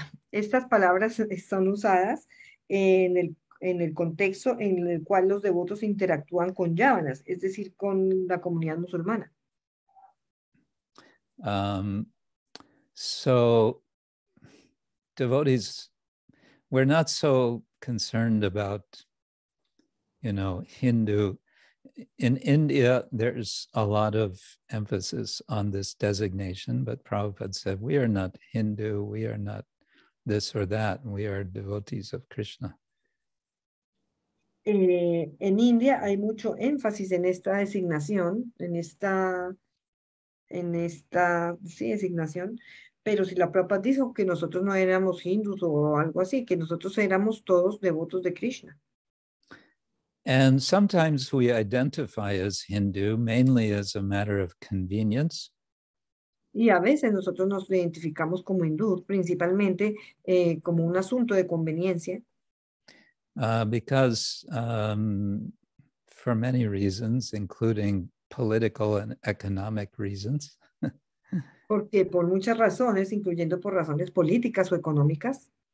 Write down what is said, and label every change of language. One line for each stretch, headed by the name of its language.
Spanish: Estas palabras son usadas en el contexto en el cual los devotos interactúan con yavanas, es decir, con la comunidad musulmana.
English: So devotees, we're not so concerned about, you know, Hindu. In India, there's a lot of emphasis on this designation, but Prabhupada said, we are not Hindu, we are not this or that, we are devotees of Krishna.
Spanish: En India hay mucho énfasis en esta designación, en esta designación, pero si la Prabhupada dijo que nosotros no éramos hindus o algo así, que nosotros éramos todos devotos de Krishna.
English: And sometimes we identify as Hindu mainly as a matter of convenience.
Spanish: Y a veces nosotros nos identificamos como hindú principalmente como un asunto de conveniencia.
English: Because for many reasons, including political and economic reasons.
Spanish: Porque por muchas razones, incluyendo por razones políticas o económicas.